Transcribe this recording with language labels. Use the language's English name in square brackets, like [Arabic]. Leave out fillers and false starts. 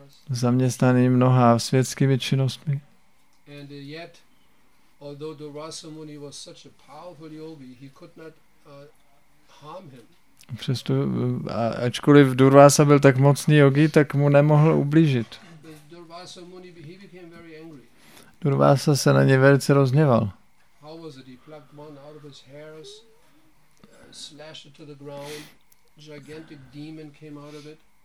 [Czech] Zaměstnaný mnoha světskými činnostmi. [English] Although Durvasa Muni was such a powerful yogi, he could not harm him. [Czech] Přesto, ačkoliv Durvasa byl tak mocný yogi, tak mu nemohl ublížit. [English] Durvasa Muni, he became very angry. [Czech] Durvasa se na ně velice rozněval. [English] How was it? He plucked one out of his hair, slashed it to the ground. Gigantic demon came out of it.